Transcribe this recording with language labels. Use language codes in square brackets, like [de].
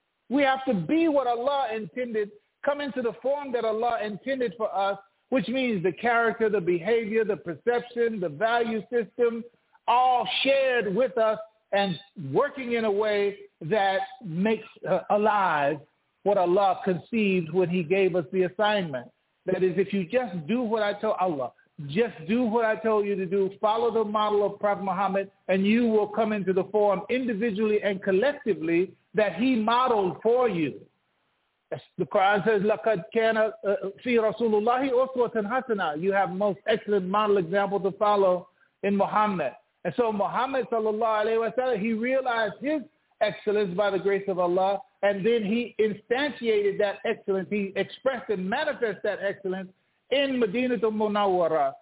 [en] We have to be what Allah intended, come into the form that Allah intended for us, which means the character, the behavior, the perception, the value system, all shared with us and working in a way that makes alive what Allah conceived when he gave us the assignment. That is, if you just do what I told Allah, just do what I told you to do, follow the model of Prophet Muhammad, and you will come into the form individually and collectively that he modeled for you. The Quran says, [ar] لَقَدْ كَانَ فِي رَسُولُ اللَّهِ أُسْوَةً حَسَنًا. [en] You have most excellent model example to follow in Muhammad. And so Muhammad, sallallahu alayhi wa sallam, he realized his excellence by the grace of Allah, and then he instantiated that excellence. He expressed and manifested that excellence in Medina to Munawwara.